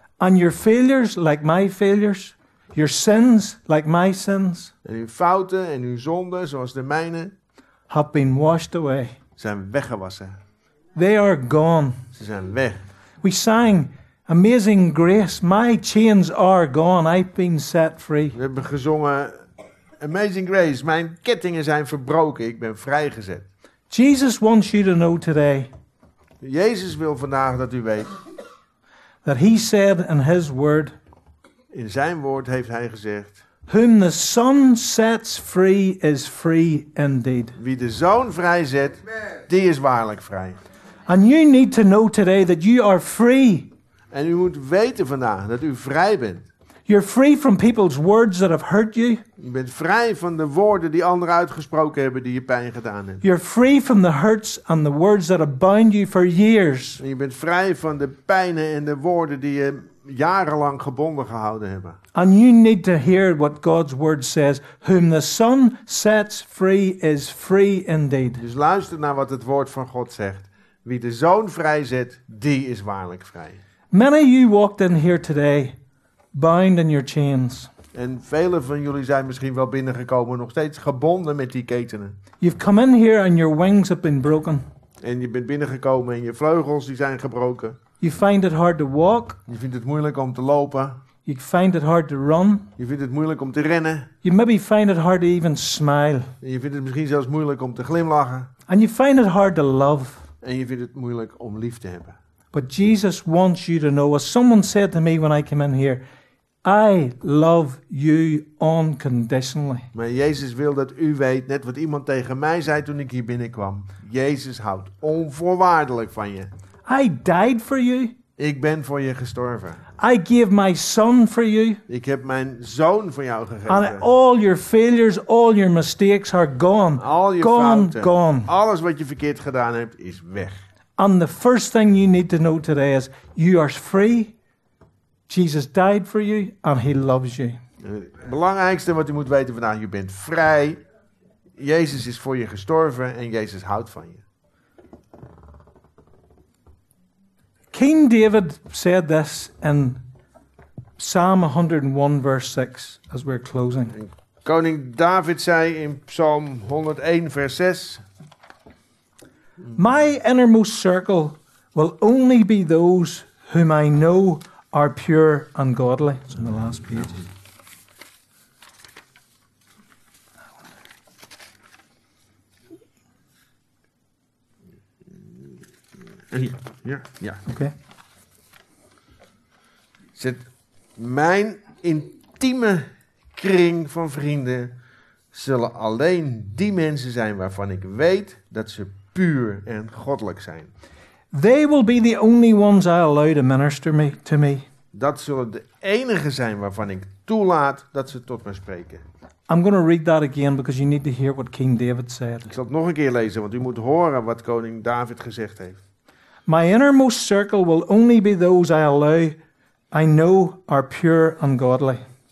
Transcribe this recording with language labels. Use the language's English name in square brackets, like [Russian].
[English] And your failures like my failures, your sins like my sins. [Dutch] En uw fouten en uw zonden zoals de mijne, [English] have been washed away. [Dutch] Zijn weggewassen. [English] They are gone. [Dutch] Ze zijn weg. [English] We sang Amazing Grace, my chains are gone, I've been set free. [Dutch] We hebben gezongen Amazing Grace, mijn kettingen zijn verbroken, ik ben vrijgezet. [English] Jesus wants you to know today. [Dutch] Jezus wil vandaag dat u weet. [English] That he said in his word. [Dutch] In zijn woord heeft hij gezegd. [English] Whom the Son sets free is free indeed. [Dutch] Wie de Zoon vrijzet, die is waarlijk vrij. [English] And you need to know today that you are free. [Dutch] En u moet weten vandaag dat u vrij bent. [English] You're free from people's words that have hurt you. [Dutch] Je bent vrij van de woorden die anderen uitgesproken hebben die je pijn gedaan hebben. [English] You're free from the hurts and the words that have bound you for years. [Dutch] En je bent vrij van de pijnen en de woorden die je jarenlang gebonden gehouden hebben. [English] And you need to hear what God's word says, whom the Son sets free is free indeed. [Dutch] Dus luister naar wat het woord van God zegt. Wie de Zoon vrijzet, die is waarlijk vrij. [English] Many of you walked in here today bound in your chains. [Dutch] En velen van jullie zijn misschien wel binnengekomen, nog steeds gebonden met die ketenen. [English] You've come in here and your wings have been broken. [Dutch] En je bent binnengekomen en je vleugels die zijn gebroken. [English] You find it hard to walk. [Dutch] Je vindt het moeilijk om te lopen. [English] You find it hard to run. [Dutch] Je vindt het moeilijk om te rennen. [English] You maybe find it hard to even smile. [Dutch] En je vindt het misschien zelfs moeilijk om te glimlachen. [English] And you find it hard to love. [Dutch] En je vindt het moeilijk om lief te hebben. [English] But Jesus wants you to know, as someone said to me when I came in here, I love you unconditionally. [Dutch] Maar Jezus wil dat u weet, net wat iemand tegen mij zei toen ik hier binnenkwam. Jezus houdt onvoorwaardelijk van je. [English] I died for you. [Dutch] Ik ben voor je gestorven. [English] I gave my Son for you. [Dutch] Ik heb mijn Zoon voor jou gegeven. [English] And all your failures, all your mistakes are gone. [Dutch] Al je [English] gone, [Dutch] fouten, [English] gone. [Dutch] Alles wat je verkeerd gedaan hebt, is weg. [English] And the first thing you need to know today is you are free. Jesus died for you and he loves you. [Dutch] Het belangrijkste wat u moet weten vandaag, je bent vrij. Jezus is voor je gestorven en Jezus houdt van je. [English] King David said this in Psalm 101 verse 6 as we're closing. [Dutch] Koning David zei in Psalm 101 vers 6. [English] My innermost circle will only be those whom I know are pure and godly. It's on the last page. Okay. [Dutch] Zet mijn intieme kring van vrienden zullen alleen die mensen zijn waarvan ik weet dat ze puur en goddelijk zijn. [English] They will be the only ones I allow to minister me to me. [Dutch] Dat zullen de enigen zijn waarvan ik toelaat dat ze tot me spreken. [English] I'm going to read that again because you need to hear what King David said. [Dutch] Ik zal het nog een keer lezen, want u moet horen wat koning David gezegd heeft. [English] My innermost circle will only be those I allow I know are pure and godly.